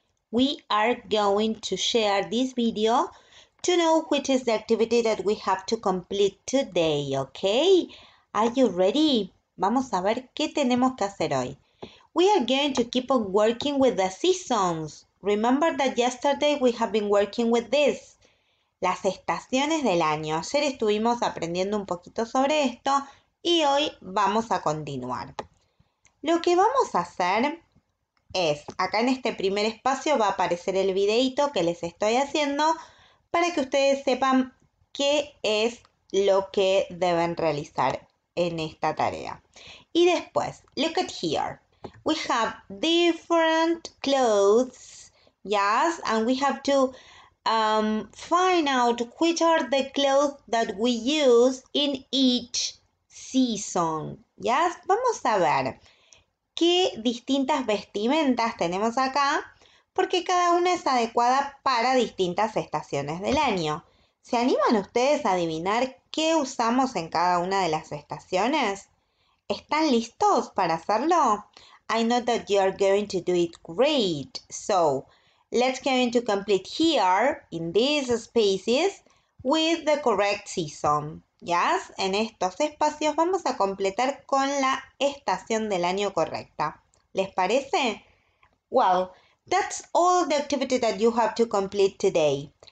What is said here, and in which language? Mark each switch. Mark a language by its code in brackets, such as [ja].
[en] We are going to share this video to know which is the activity that we have to complete today, okay? Are you ready? [es] Vamos a ver qué tenemos que hacer hoy. [en] We are going to keep on working with the seasons. Remember that yesterday we have been working with this. [es] Las estaciones del año. Ayer estuvimos aprendiendo un poquito sobre esto y hoy vamos a continuar. Lo que vamos a hacer es, acá en este primer espacio va a aparecer el videito que les estoy haciendo para que ustedes sepan qué es lo que deben realizar en esta tarea. Y después, [en] look at here. We have different clothes, yes, and we have to find out which are the clothes that we use in each season, yes. [es] Vamos a ver qué distintas vestimentas tenemos acá, porque cada una es adecuada para distintas estaciones del año. ¿Se animan ustedes a adivinar qué usamos en cada una de las estaciones? ¿Están listos para hacerlo? [en] I know that you are going to do it great. So, let's go into complete here, in these spaces, with the correct season. Yes? [es] En estos espacios vamos a completar con la estación del año correcta. ¿Les parece? [en] Well, that's all the activity that you have to complete today.